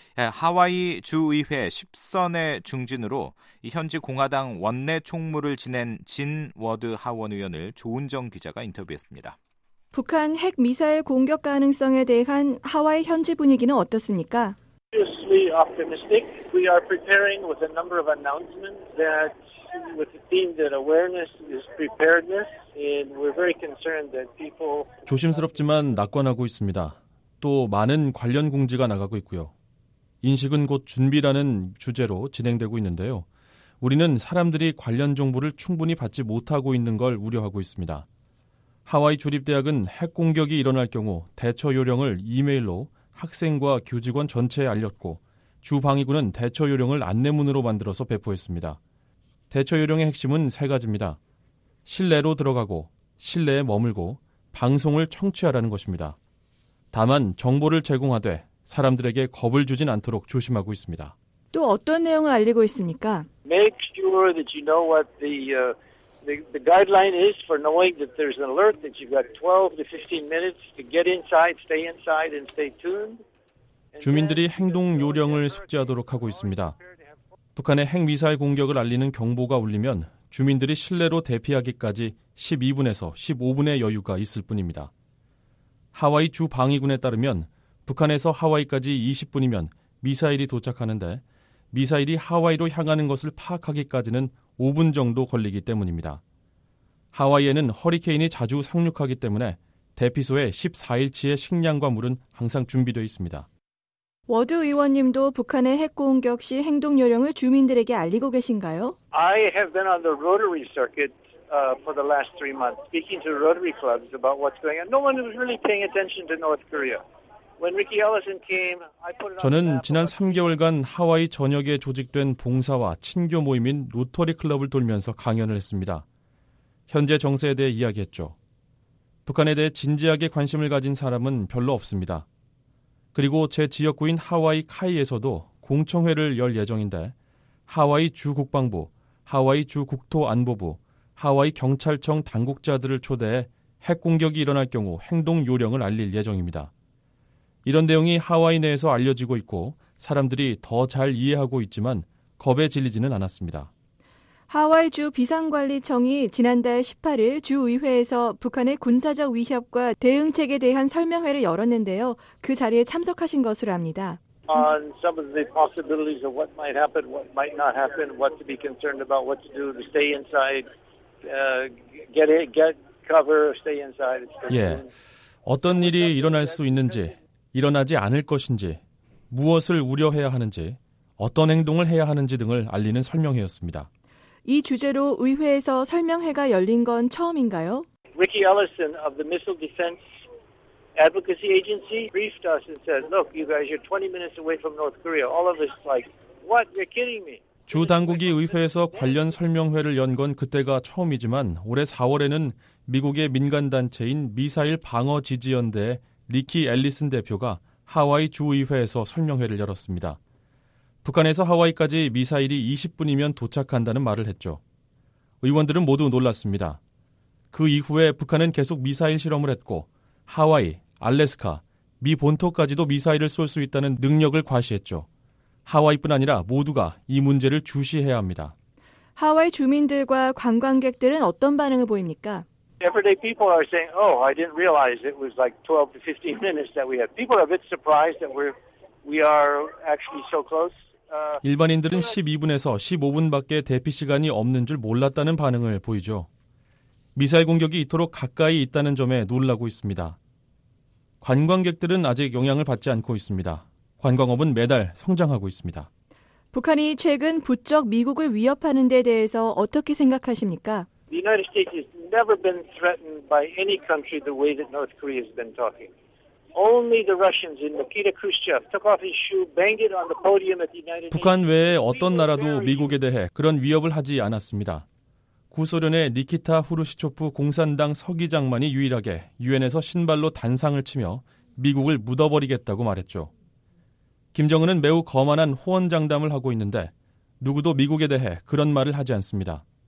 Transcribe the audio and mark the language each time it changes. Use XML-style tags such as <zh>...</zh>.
<ko>하와이 주의회 10선의 중진으로 현지 공화당 원내 총무를 지낸 진 워드 하원 의원을 조은정 기자가 인터뷰했습니다. 북한 핵미사일 공격 가능성에 대한 하와이 현지 분위기는 어떻습니까?</ko> <en>Optimistic. We are preparing with a number of announcements that with the theme that awareness is preparedness, and we're very concerned that people</en> <ko>조심스럽지만 낙관하고 있습니다. 또 많은 관련 공지가 나가고 있고요. 인식은 곧 준비라는 주제로 진행되고 있는데요. 우리는 사람들이 관련 정보를 충분히 받지 못하고 있는 걸 우려하고 있습니다. 하와이 주립대학은 핵 공격이 일어날 경우 대처 요령을 이메일로 학생과 교직원 전체에 알렸고 주방위군은 대처 요령을 안내문으로 만들어서 배포했습니다. 대처 요령의 핵심은 세 가지입니다. 실내로 들어가고 실내에 머물고 방송을 청취하라는 것입니다. 다만 정보를 제공하되 사람들에게 겁을 주진 않도록 조심하고 있습니다. 또 어떤 내용을 알리고 있습니까?</ko> <en>Make sure that you know what the guideline is for knowing that there's an alert that you've got 12 to 15 minutes to get inside and stay tuned.</en> <ko>주민들이 행동 요령을 숙지하도록 하고 있습니다. 북한의 핵미사일 공격을 알리는 경보가 울리면 주민들이 실내로 대피하기까지 12분에서 15분의 여유가 있을 뿐입니다. 하와이 주 방위군에 따르면 북한에서 하와이까지 20분이면 미사일이 도착하는데 미사일이 하와이로 향하는 것을 파악하기까지는 5분 정도 걸리기 때문입니다. 하와이에는 허리케인이 자주 상륙하기 때문에 대피소에 14일치의 식량과 물은 항상 준비되어 있습니다. 워드 의원님도 북한의 핵 공격 시 행동 요령을 주민들에게 알리고 계신가요?</ko> <en>I have been on the Rotary circuit for the last three months, speaking to Rotary clubs about what's going on. No one was really paying attention to North Korea. When Ricky Ellison came, I put it on.</en> <ko>저는 지난 3개월간 하와이 전역에 조직된 봉사와 친교 모임인 로터리 클럽을 돌면서 강연을 했습니다. 현재 정세에 대해 이야기했죠. 북한에 대해 진지하게 관심을 가진 사람은 별로 없습니다. 그리고 제 지역구인 하와이 카이에서도 공청회를 열 예정인데 하와이 주국방부, 하와이 주국토안보부, 하와이 경찰청 당국자들을 초대해 핵공격이 일어날 경우 행동 요령을 알릴 예정입니다. 이런 내용이 하와이 내에서 알려지고 있고 사람들이 더 잘 이해하고 있지만 겁에 질리지는 않았습니다. 하와이 주 비상관리청이 지난달 18일 주의회에서 북한의 군사적 위협과 대응책에 대한 설명회를 열었는데요. 그 자리에 참석하신 것으로 압니다.</ko> <en>On some of the possibilities of what might happen, what might not happen, what to be concerned about, what to do, to stay inside, get cover, stay inside.</en> <ko>예, 어떤 일이 일어날 수 있는지, 일어나지 않을 것인지, 무엇을 우려해야 하는지, 어떤 행동을 해야 하는지 등을 알리는 설명회였습니다. 이 주제로 의회에서 설명회가 열린 건 처음인가요?</ko> <en>Ricky Ellison of the Missile Defense Advocacy Agency briefed us and said, "Look, you guys, you're 20 minutes away from North Korea." All of us like, "What? You're kidding me?"</en> <ko>주 당국이 의회에서 관련 설명회를 연 건 그때가 처음이지만 올해 4월에는 미국의 민간단체인 미사일 방어 지지연대 리키 앨리슨 대표가 하와이 주의회에서 설명회를 열었습니다. 북한에서 하와이까지 미사일이 20분이면 도착한다는 말을 했죠. 의원들은 모두 놀랐습니다. 그 이후에 북한은 계속 미사일 실험을 했고 하와이, 알래스카, 미 본토까지도 미사일을 쏠 수 있다는 능력을 과시했죠. 하와이뿐 아니라 모두가 이 문제를 주시해야 합니다. 하와이 주민들과 관광객들은 어떤 반응을 보입니까?</ko> <en>Everyday people are saying, "Oh, I didn't realize it was like 12 to 15 minutes that we had." People are a bit surprised that we are actually so close.</en> <ko>일반인들은 12분에서 15분밖에 대피 시간이 없는 줄 몰랐다는 반응을 보이죠. 미사일 공격이 이토록 가까이 있다는 점에 놀라고 있습니다. 관광객들은 아직 영향을 받지 않고 있습니다. 관광업은 매달 성장하고 있습니다. 북한이 최근 부쩍 미국을 위협하는 데 대해서 어떻게 생각하십니까?</ko> <en>The United States has never been threatened by any country the way that North Korea has been talking. Only the Russians in Nikita Khrushchev took off his shoe, banged it on the podium at the United Nations.</en> <ko>북한 외에 어떤 나라도 미국에 대해 그런 위협을 하지 않았습니다. 구소련의 니키타 후르시초프 공산당 서기장만이 유일하게 유엔에서 신발로 단상을 치며 미국을 묻어버리겠다고 말했죠. 김정은은 매우 거만한 호언장담을 하고 있는데 누구도 미국에 대해 그런 말을 하지 않습니다.</ko>